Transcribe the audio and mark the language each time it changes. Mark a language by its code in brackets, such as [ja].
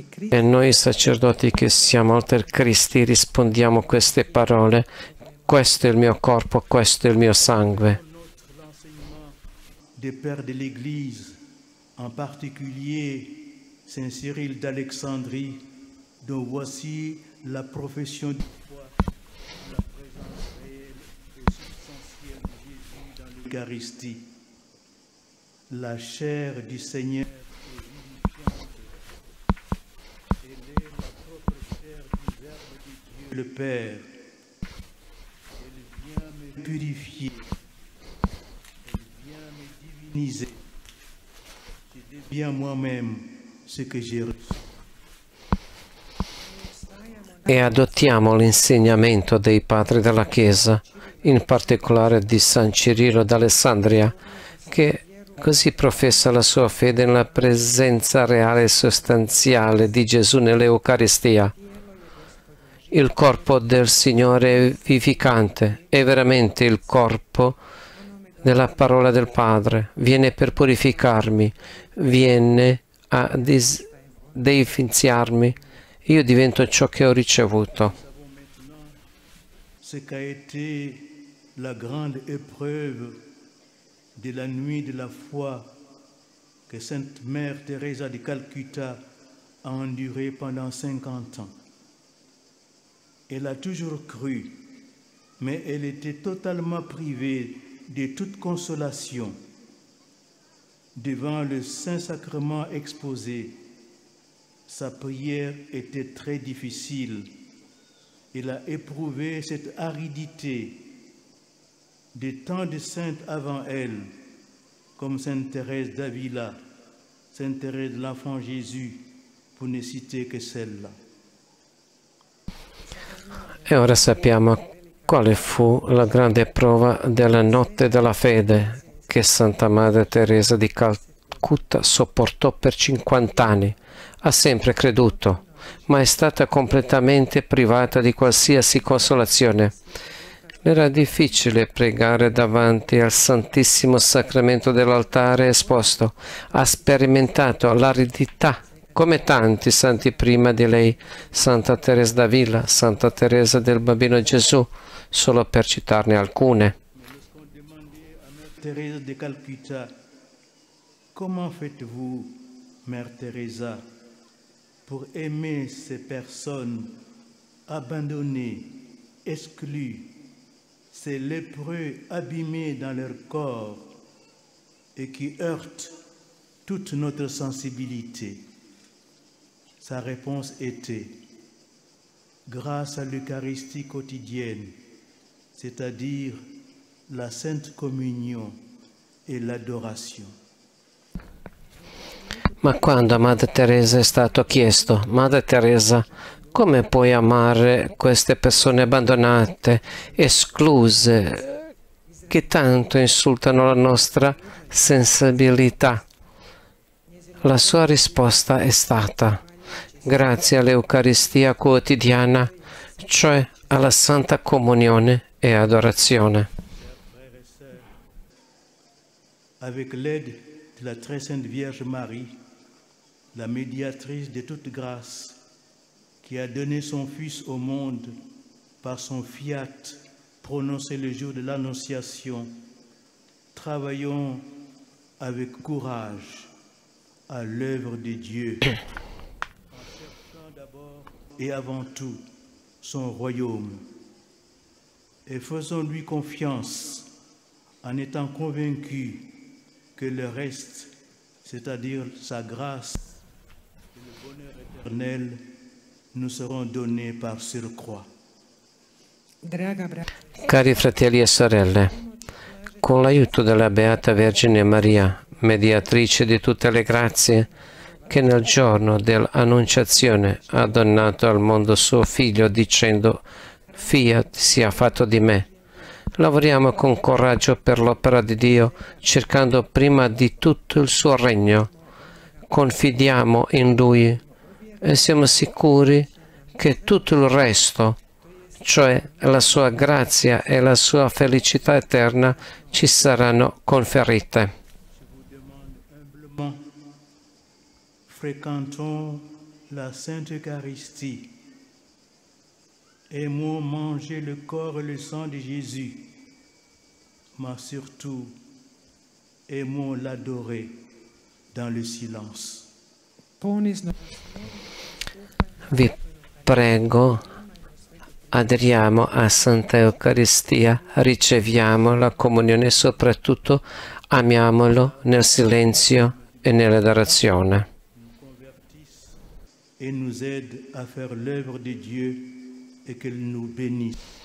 [it] E noi sacerdoti che siamo alter Cristi rispondiamo queste parole: questo è il mio corpo, questo è il mio sangue. [fr] Des pères de l'Église, en particulier Saint Cyril d'Alexandrie, dont voici la profession de foi, la présence réelle et substantielle de Jésus dans l'Eucharistie. La chair du Seigneur est vivifiante. Elle est la propre chair du Verbe de Dieu, le Père. Elle vient me purifier. Elle vient me diviniser. Je deviens moi-même ce que j'ai reçu. [it] E adottiamo l'insegnamento dei padri della Chiesa, in particolare di San Cirillo d'Alessandria, che così professa la sua fede nella presenza reale e sostanziale di Gesù nell'Eucaristia. Il corpo del Signore è vivificante, è veramente il corpo della parola del Padre, viene per purificarmi, viene a deifiziarmi, io divento ciò che ho ricevuto. [fr] Ce qu'a été la grande épreuve de la nuit de la foi que Sainte Mère Teresa de Calcutta a enduré pendant 50 ans. Elle a toujours cru, mais elle était totalement privée de toute consolation devant le Saint-Sacrement exposé. Sa prière était très difficile. Elle a éprouvé cette aridité de tant de saintes avant elle, comme Sainte Thérèse d'Avila, Sainte Thérèse de l'Enfant Jésus, pour ne citer que celle-là. [it] E ora sappiamo quale fu la grande prova della notte della fede che Santa Madre Teresa di Calcutta sopportò per 50 anni. Ha sempre creduto, ma è stata completamente privata di qualsiasi consolazione. Era difficile pregare davanti al Santissimo Sacramento dell'altare esposto. Ha sperimentato l'aridità come tanti santi prima di lei, Santa Teresa d'Avila, Santa Teresa del Bambino Gesù, solo per citarne alcune. [fr] Teresa de Calcutta, [it] come fate voi, [fr] Mère Teresa, per aimer ces personnes abbandonnées, esclues, ces lépreux abîmés dans leur corps et qui heurtent toute notre sensibilité? Sa réponse était: grâce à l'Eucharistie quotidienne, c'est-à-dire la Sainte Communion et l'adoration. [it] Ma quando a Madre Teresa è stato chiesto: Madre Teresa, come puoi amare queste persone abbandonate, escluse, che tanto insultano la nostra sensibilità? La sua risposta è stata: grazie all'Eucaristia quotidiana, cioè alla Santa Comunione e Adorazione. [fr] Avec l'aide de la Très Sainte Vierge Marie, la médiatrice de toute grâce, qui a donné son fils au monde par son fiat prononcé le jour de l'Annonciation, travaillons avec courage à l'œuvre de Dieu, en cherchant d'abord et avant tout son royaume. Et faisons-lui confiance en étant convaincus que le reste, c'est-à-dire sa grâce et le bonheur éternel, nous serons donnés par surcroît. [it] Cari fratelli e sorelle, con l'aiuto della Beata Vergine Maria, mediatrice di tutte le grazie, che nel giorno dell'Annunciazione ha donato al mondo suo Figlio dicendo: Fiat sia fatto di me, lavoriamo con coraggio per l'opera di Dio, cercando prima di tutto il suo regno. Confidiamo in Lui e siamo sicuri che tutto il resto, cioè la sua grazia e la sua felicità eterna, ci saranno conferite. [fr] Fréquentons la Sainte Eucharistie. Aimons manger le corps et le sang de Jésus, mais surtout aimons l'adorer dans le silence. [it] Vi prego, aderiamo a Santa Eucaristia, riceviamo la comunione e soprattutto amiamolo nel silenzio e nell'adorazione. [fr] E nous aide à faire l'œuvre de Dieu et qu'elle nous bénisse.